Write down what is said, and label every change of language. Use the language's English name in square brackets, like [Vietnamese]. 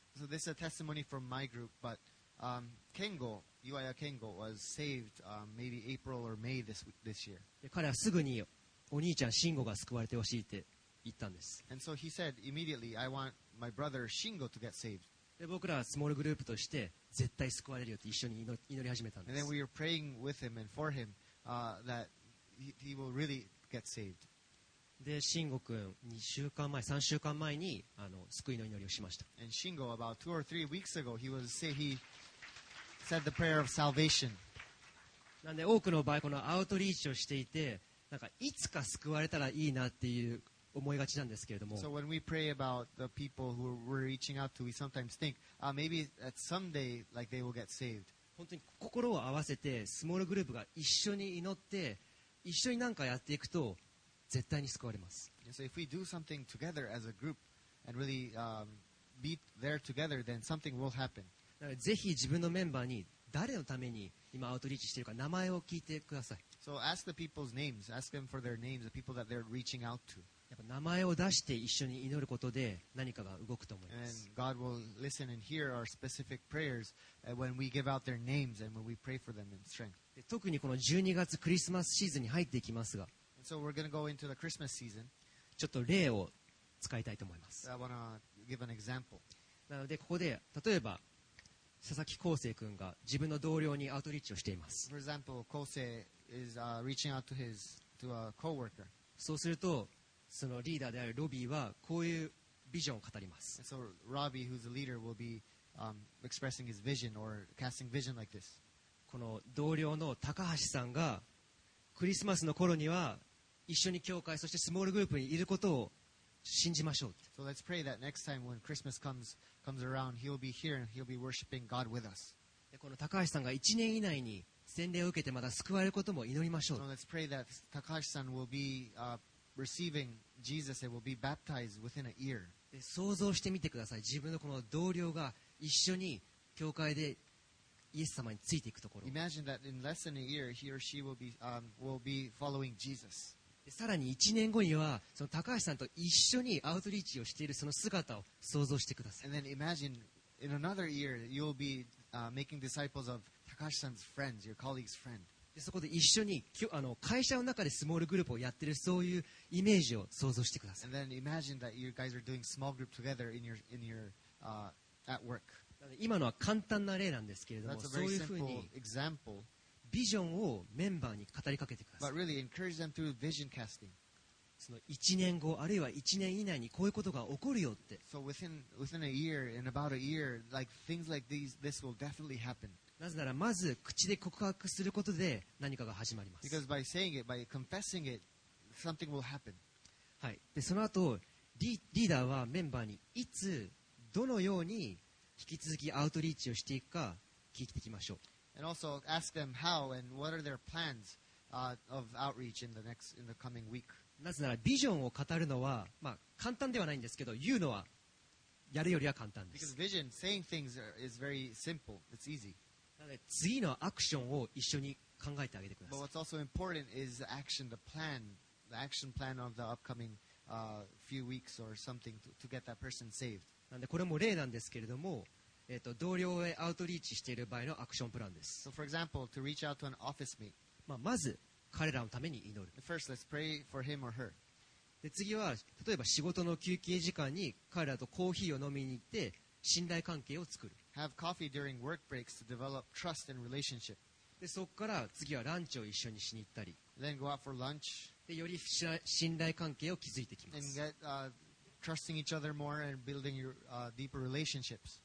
[English] So this is a testimony from my group, but、Kengo, Iwaya Kengo was saved、maybe April or May this year. [Japanese] で彼はすぐにお兄ちゃん Shingo が救われてほしいって言ったんです。 [English] And so he said immediately, I want my brother Shingo to get saved. [Japanese] で僕らはスモールグループとして絶対救われるよって一緒に祈り始めたんです。 [English] And then we were praying with him and for him、that he will really get saved. [Japanese] で、慎吾くん、2週間前、3週間前に救いの祈りをしました。 [English] And Shingo, about two or three weeks ago, he said the prayer of salvation. [Japanese] なんで、多くの場合、このアウトリーチをしていて、なんか、いつか救われたらいいなっていう思いがちなんですけれども。 [English] So when we pray about the people who we're reaching out to, we sometimes think, maybe at someday, like, they will get saved. [Japanese] 本当に心を合わせて、スモールグループが一緒に祈って、一緒になんかやっていくと、絶対に救われます。 [English] So if we do something together as a group and really、be there together, then something will happen. [Japanese] ぜひ自分のメンバーに誰のために今アウトリーチしているか名前を聞いてください。 [English] So ask the people's names. Ask them for their names, the people that they're reaching out to. [Japanese] やっぱ名前を出して一緒に祈ることで何かが動くと思います。 [English] And God will listen and hear our specific prayers when we give out their names and when we pray for them in strength. [Japanese] で特にこの12月クリスマスシーズンに入っていきますが、 [English] So we're going to go into the Christmas season. [Japanese] ちょっと例を使いたいと思います。 [English] I want to give an example. [Japanese] なのでここで例えば佐々木康生君が自分の同僚にアウトリーチをしています。 [English] For example, Kosei is reaching out to a coworker. [Japanese] そうするとそのリーダーであるロビーはこういうビジョンを語ります。 [English] So Robbie, who's the leader, will be expressing his vision or casting vision like this. [Japanese] この同僚の高橋さんがクリスマスの頃には一緒に教会そしてスモールグループにいることを信じましょう。 [English] So let's pray that next time when Christmas comes around, he'll be here and he'll be worshiping God with us. [Japanese] でこの高橋さんが1年以内に洗礼を受けてまた救われることも祈りましょう。 [English] So let's pray that Takashi san will be receiving Jesus and will be baptized within a year. [Japanese] で想像してみてください。自分のこの同僚が一緒に教会でイエス様についていくところ。 [English] Imagine that in less than a year he or she will be, will be following Jesus. [Japanese] でさらに1年後にはその高橋さんと一緒にアウトリーチをしているその姿を想像してください。 [English] And then imagine in another year you'll be making disciples of Takashi-san's friends, your colleague's friend. [Japanese] でそこで一緒にあの会社の中でスモールグループをやっているそういうイメージを想像してください。 [English] And then imagine that you guys are doing small group together in your, in your, at work. [Japanese] 今のは簡単な例なんですけれども、そういうふうにビジョンをメンバーに語りかけてください。 [English] But really encourage them through vision casting. [Japanese] その1年後あるいは1年以内にこういうことが起こるよって。 [English] So within, within a year, in about a year, like things like these, this will definitely happen. [Japanese] なぜならまず口で告白することで何かが始まります。 [English] Because by saying it, by confessing it, something will happen. [Japanese] はい。でその後 リーダーはメンバーにいつどのように引き続きアウトリーチをしていくか聞いていきましょう。 [English] And also ask them how and what are their plans, of outreach in the next, in the coming week. [Japanese] なぜならビジョンを語るのは、まあ、簡単ではないんですけど言うのはやるよりは簡単です。 [English] Because vision, saying things is very simple, it's easy. [Japanese] なので次のアクションを一緒に考えてあげてください。 [English] But what's also important is the action, the action plan of the upcoming, few weeks or something to get that person saved. [Japanese] なのでこれも例なんですけれども、同僚へアウトリーチしている場合のアクションプランです。 [English] So for example, to reach out to an office mate. [Japanese] まあ、まず彼らのために祈る。 [English] First, let's pray for him or her. [Japanese] で次は例えば仕事の休憩時間に彼らとコーヒーを飲みに行って信頼関係を作る。 [English] Have coffee during work breaks to develop trust and relationship. [Japanese] でそこから次はランチを一緒にしに行ったり。 [English] Then go out for lunch. [Japanese] でより信頼関係を築いていきます。 [English] And get, trusting each other more and building your, deeper relationships.